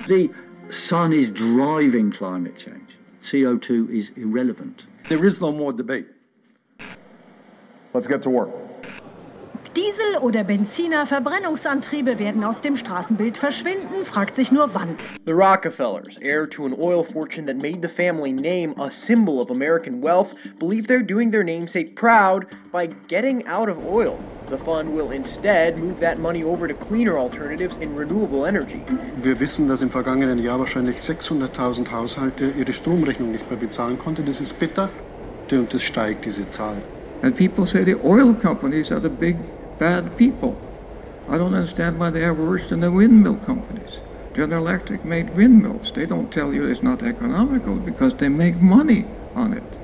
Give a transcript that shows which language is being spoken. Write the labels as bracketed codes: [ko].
[en] The sun is driving climate change. CO2 is irrelevant. There is no more debate. Let's get to work. [de] Diesel- oder Benziner-Verbrennungsantriebe werden aus dem Straßenbild verschwinden, fragt sich nur wann. [en] The Rockefellers, heir to an oil fortune that made the family name a symbol of American wealth, believe they're doing their namesake proud by getting out of oil. The fund will instead move that money over to cleaner alternatives in renewable energy. [de] Wir wissen, dass im vergangenen Jahr wahrscheinlich 600.000 Haushalte ihre Stromrechnung nicht mehr bezahlen konnten. Das ist bitter und es steigt, diese Zahl. [en] And people say the oil companies are the big bad people. I don't understand why they are worse than the windmill companies. General Electric made windmills. They don't tell you it's not economical because they make money on it.